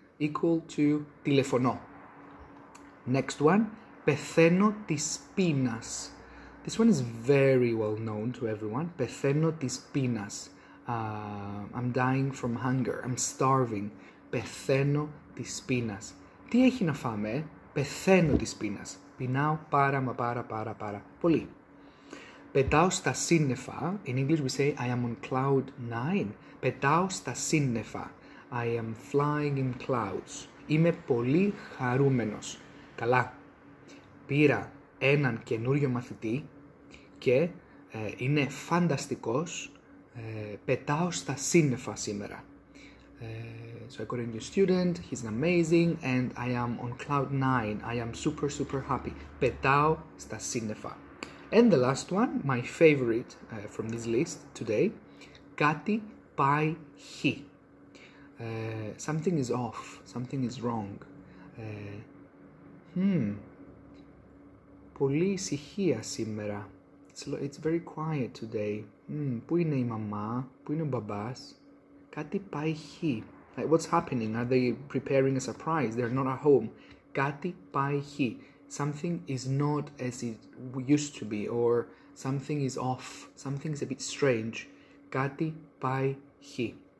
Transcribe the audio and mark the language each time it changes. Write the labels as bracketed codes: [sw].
[en] Equal to τηλεφωνώ. Next one, πεθαίνω της πείνας. This one is very well known to everyone. Πεθαίνω της πείνας. I'm dying from hunger. I'm starving. [el] Πεθαίνω της πείνας. Τι έχει να φάμε, πεθαίνω της πείνας. Πεινάω πάρα μα πάρα πάρα πάρα πολύ. Πετάω στα σύννεφα. [en] In English we say I am on cloud 9. Πετάω στα σύννεφα. I am flying in clouds. [el] Είμαι πολύ χαρούμενος. Καλά. Πήρα έναν καινούριο μαθητή και είναι φανταστικός. Πετάω στα σύννεφα σήμερα. [en] So I got a new student. He's amazing and I am on cloud 9. I am super, super happy. Πετάω στα σύννεφα. And the last one, my favorite from this list today. Κάτι πάει χι. Something is off, something is wrong. Πολύ ησυχία σήμερα. It's very quiet today. [el] Πού είναι η μαμά, πού είναι ο μπαμπάς. Κάτι πάει χι. Like, what's happening? [en] Are they preparing a surprise? They're not at home. Κάτι πάει χι. Something is not as it used to be, or something is off. Something is a bit strange. Κάτι πάει χι.